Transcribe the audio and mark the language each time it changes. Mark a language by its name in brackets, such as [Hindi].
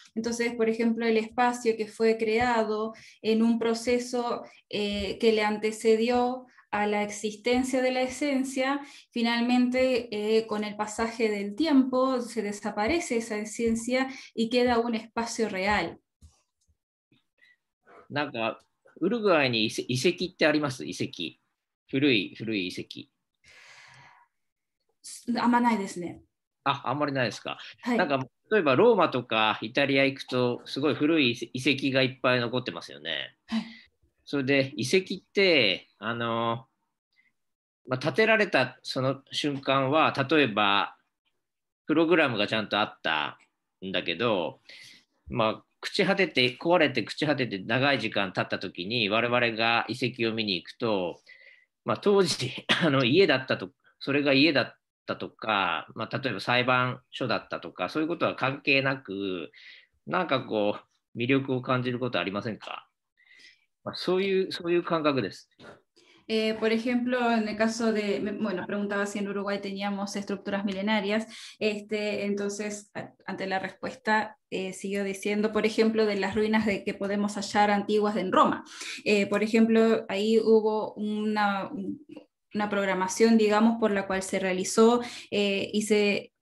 [Spanish] Entonces, por ejemplo, el espacio que fue creado en un proceso que le antecedió a la existencia de la esencia, finalmente con el pasaje del tiempo se desaparece esa esencia y queda un espacio real. [Japanese] なんかウルグアイに遺跡ってあります？遺跡、古い遺跡。あんまないですね。あ、あんまりないですか。はい。なんか例えばローマとかイタリア行くとすごい古い遺跡がいっぱい残ってますよね。はい。それで遺跡って建てられたその瞬間は例えばプログラムがちゃんとあったんだけど、まあ朽ち果てて壊れて朽ち果てて長い時間経った時に我々が遺跡を見に行くと、まあ、当時家だったとそれが家だったとか、まあ、例えば裁判所だったとかそういうことは関係なくなんかこう魅力を感じることありませんか、まあ、そういう感覚です。 [Spanish] Por ejemplo, en el caso de, bueno, preguntaba si en Uruguay teníamos estructuras milenarias, entonces, ante la respuesta, siguió diciendo, por ejemplo, de las ruinas de que podemos hallar antiguas en Roma. Por ejemplo, ahí hubo una programación, digamos, por la cual se realizó y se...